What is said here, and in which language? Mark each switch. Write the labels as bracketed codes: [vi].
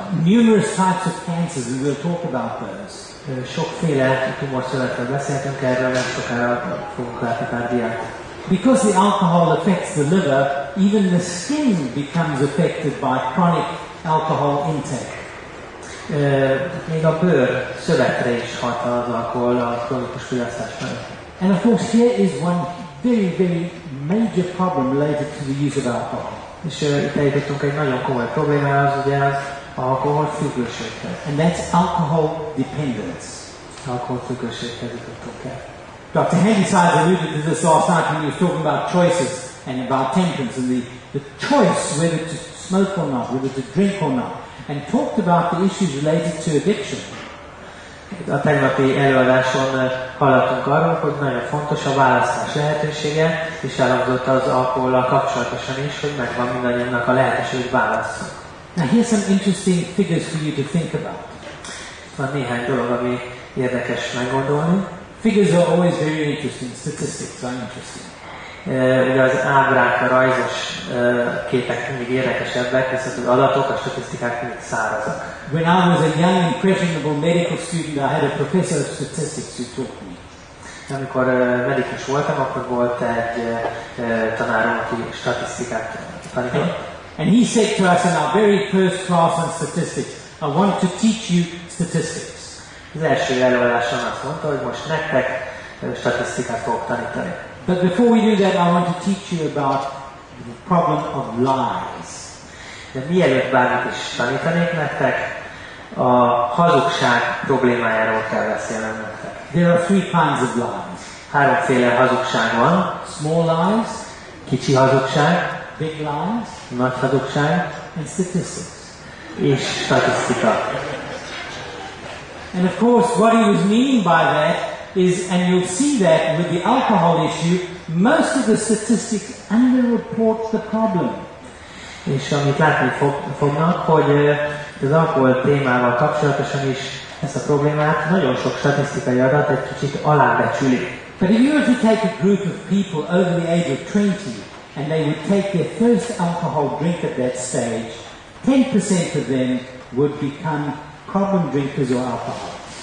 [en] numerous types of cancers, we will talk about those. [hu] Sokféle tumorszövetre beszéltünk erről, nem sokára fogunk látni pár diát. [en] Because the alcohol affects the liver, even the skin becomes affected by chronic alcohol intake. [hu] Még a bőr szövetre is hat az alkohol, a krónikus fogyasztás mellett. [en] And of course here is one very, very major problem related to the use of alcohol. [hu] És itt eljutottunk egy nagyon komoly problémához, ugye az alkohol függőséghez. [en] And that's alcohol dependence. [hu] Alkohol függőséghez jutottunk el. [en] Dr. Handyside alluded to this last night when he was talking about choices and about temperance and the choice whether to smoke or not, whether to drink or not. And talked about the issues related to addiction. [hu] A tegnapi előadáson hallottunk arról, hogy nagyon fontos a választás lehetősége, és elhangzott az alkohollal kapcsolatosan is, hogy megvan mindannyiunknak a lehetőség, hogy válasszunk. [en] Now here's some interesting figures for you to think about. [hu] Van néhány dolog, ami érdekes meggondolni. [en] Figures are always very interesting. Statistics are interesting. [hu] Ugye az ábrák, a rajzos képek mindig érdekesebbek, hiszen az adatok, a statisztikák mindig szárazak. [en] When I was a young, impressionable medical student, I had a professor of statistics who taught me. [hu] Amikor medikus voltam, akkor volt egy tanárom, aki statisztikát tanított. [en] And he said to us in our very first class on statistics, I want to teach you statistics. [hu] Az első előadáson azt mondta, hogy most nektek statisztikát fogok tanítani. [en] But before we do that, I want to teach you about the problem of lies. [hu] De mielőtt bármit is tanítanék nektek, a hazugság problémájáról kell beszélnem nektek. [en] There are three kinds of lies. [hu] Háromféle hazugság van. [en] Small lies. [hu] Kicsi hazugság. [en] Big lies. [hu] Nagy hazugság. [en] And statistics. [hu] És statisztika. [en] And of course, what he was meaning by that is, and you'll see that with the alcohol issue, most of the statistics underreport the problem. [hu] És amit látni fognak, hogy az alkohol témával kapcsolatosan is ezt a problémát, nagyon sok statisztikai adat egy kicsit alábecsülik. [en] But if you were to take a group of people over the age of 20, and they would take their first alcohol drink at that stage, 10% of them would become problem drinkers or alcoholics.